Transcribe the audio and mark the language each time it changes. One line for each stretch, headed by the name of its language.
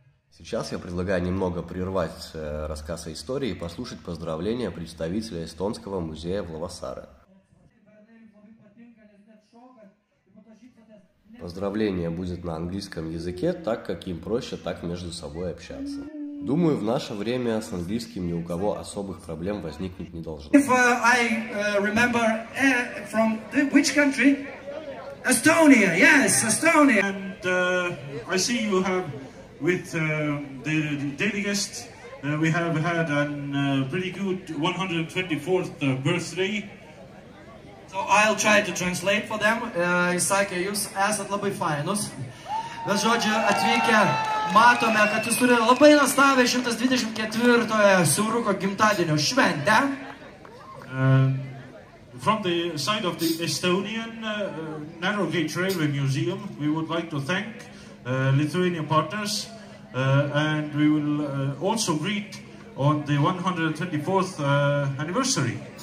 Russian: Сейчас я предлагаю немного прервать рассказ о истории и послушать поздравления представителя Эстонского музея в Лавасааре. Поздравление будет на английском языке, так как им проще так между собой общаться. Думаю, в наше время с английским ни у кого особых проблем возникнуть не должно.
English: If I remember from which country? Estonia, yes, Estonia. And I see you have with the daily guest we have had a pretty good 124th birthday. So I'll try to translate for them.
Lithuanian: Isaki, jūs esat labai fainus. Mes žodžiu atvykę matome, kad jūs turi labai nuostabią 124-ojo Siauruko gimtadienio šventę.
English: From the side of the Estonian Narrow Gauge Railway Museum, we would like to thank Lithuanian partners and we will also greet on the 124th anniversary.